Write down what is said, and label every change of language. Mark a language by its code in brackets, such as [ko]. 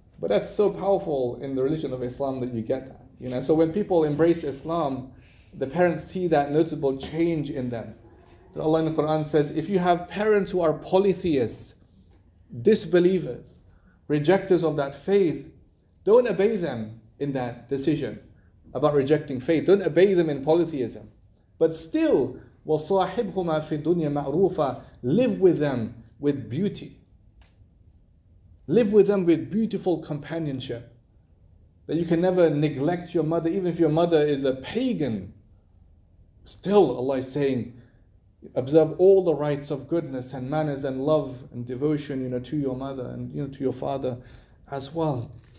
[en] But that's so powerful in the religion of Islam that you get that. You know? So when people embrace Islam, the parents see that notable change in them. So Allah in the Quran says, if you have parents who are polytheists, disbelievers, rejectors of that faith, don't obey them in that decision about rejecting faith. Don't obey them in polytheism. But still, [ar] وَصَاحِبْهُمَا فِي الدُّنْيَا مَعْرُوفًا. [en] Live with them with beauty. Live with them with beautiful companionship. That you can never neglect your mother, even if your mother is a pagan. Still, Allah is saying, observe all the rites of goodness and manners and love and devotion, you know, to your mother and, you know, to your father as well.